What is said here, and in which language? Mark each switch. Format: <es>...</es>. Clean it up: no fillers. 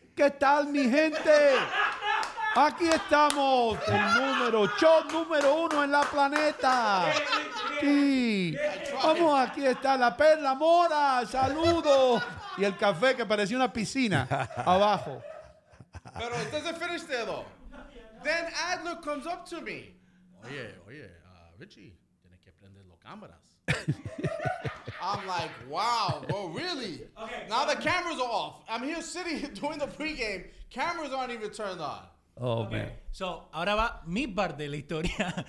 <es>¿Qué tal, mi gente? Aquí estamos, el número, show número 1 en la planeta. Sí. Vamos, aquí está la perla mora, saludos. Y el café que parecía una piscina, abajo. Pero entonces</es> <en>finish there, though. Then Adler comes up to me.</en> <es>Oye, oye, Richie, tienes que prender las cámaras.</es> <en>I'm like, wow, well, really? Okay, now the cameras are off. I'm here sitting doing the pregame. Cameras aren't even turned on. Oh, okay. Man.</en> <es>So, ahora va mi parte de la historia.</es>